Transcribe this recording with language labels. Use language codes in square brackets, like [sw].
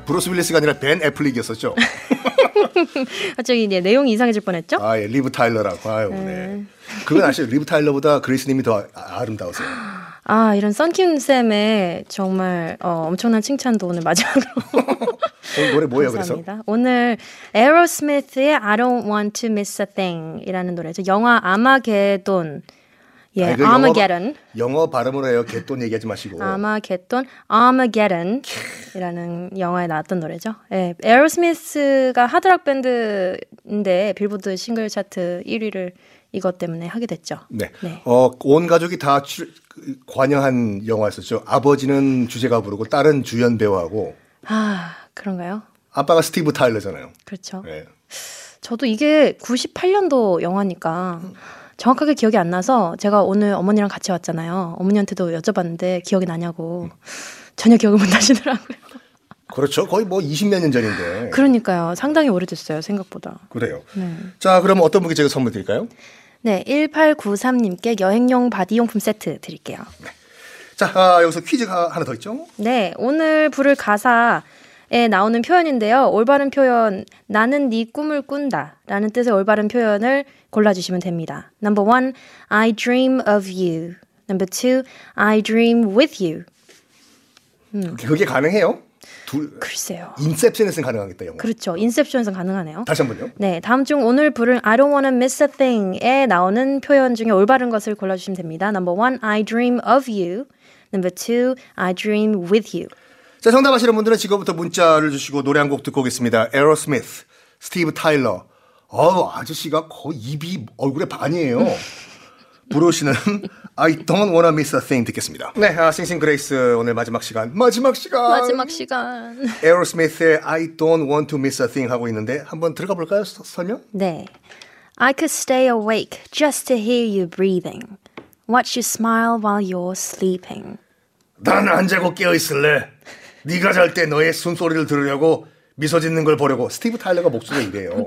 [ko] 브루스 윌리스가 아니라 벤 애플릭이었었죠. 갑자기 이제 내용이 이상해질 뻔했죠. 아 예, 리브 타일러라고. 아유, 네. 그건 아시죠? 리브 타일러보다 그리스님이 더 아름다우세요. 아 이런 썬킴 쌤의 정말 엄청난 칭찬도 오늘 마지막으로. 오늘 노래 뭐예요? 감사합니다. 그래서 오늘 에어로스미스의 I Don't Want to Miss a Thing이라는 노래죠. 영화 아마게돈. 예, 아니, 그 Armageddon. 영어 발음으로 해요. 개돈 얘기하지 마시고. 아마게돈, Armageddon 이라는 영화에 나왔던 노래죠. 예, 에어로스미스가 하드락 밴드인데 빌보드 싱글 차트 1위를 이것 때문에 하게 됐죠. 네. 네. 온 가족이 다 관여한 영화였었죠. 아버지는 주제가 부르고 딸은 주연 배우하고. 아, 그런가요? 아빠가 스티브 타일러잖아요. 그렇죠. 네. 저도 이게 98년도 영화니까 정확하게 기억이 안 나서 제가 오늘 어머니랑 같이 왔잖아요. 어머니한테도 여쭤봤는데 기억이 나냐고. 전혀 기억을 못 하시더라고요. 그렇죠. 거의 뭐 20몇 년 전인데. 그러니까요. 상당히 오래됐어요. 생각보다. 그래요. 네. 자, 그럼 어떤 분께 제가 선물 드릴까요? 네. 1893님께 여행용 바디용품 세트 드릴게요. 자, 여기서 퀴즈가 하나 더 있죠? 네. 오늘 부를 가사 에 나오는 표현인데요. 올바른 표현 나는 네 꿈을 꾼다 라는 뜻의 올바른 표현을 골라주시면 됩니다. [en] Number one, I dream of you. Number two, I dream with you. [ko] 그게 가능해요? 글쎄요. 인셉션에서는 가능하겠다. 영어. 그렇죠. 인셉션에서는 가능하네요. 다시 한 번요. 네, 다음 중 오늘 부른 I don't wanna miss a thing 에 나오는 표현 중에 올바른 것을 골라주시면 됩니다. [en] Number one, I dream of you. Number two, I dream with you. [ko] 자, 정답하시는 분들은 지금부터 문자를 주시고 노래 한 곡 듣고 오겠습니다. 에어 스미스, 스티브 타일러. 아저씨가 거의 입이 얼굴에 반이에요. 부르시는 I don't wanna miss a thing 듣겠습니다. 네, 싱싱 그레이스 오늘 마지막 시간. 마지막 시간. 마지막 시간. 에어 스미스의 I don't want to miss a thing 하고 있는데 한번 들어가 볼까요, 설명? 네. [en] I could stay awake just to hear you breathing. Watch you smile while you're sleeping. [ko] 난 안 자고 깨어있을래. 네가 잘 때 너의 숨소리를 들으려고 미소 짓는 걸 보려고. 스티브 타일러가 목소리가 이래요.